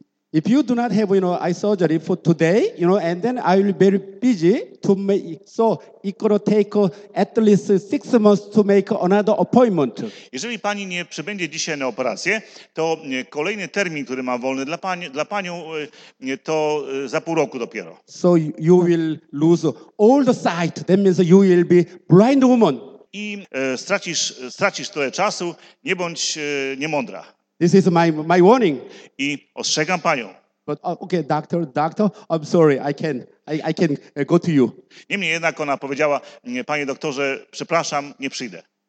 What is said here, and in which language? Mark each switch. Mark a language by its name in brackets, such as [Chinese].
[English] If you do not have, you know, eye surgery for today, you know, and then I will be very busy to make, so it could take at least 6 months to make another appointment. [Polish] Jeżeli pani nie przybędzie dzisiaj na operację, to kolejny termin, który mam wolny dla panią, to za pół roku dopiero. [English] So you will lose all the sight. That means you will be blind woman. [Polish] I stracisz tyle czasu, nie bądź niemądra. [English] This is my warning. [Polish] I ostrzegam panią. [English] But okay, doctor, I'm sorry, I can go to you. [Polish] Niemniej jednak ona powiedziała, panie doktorze, przepraszam, nie przyjdę.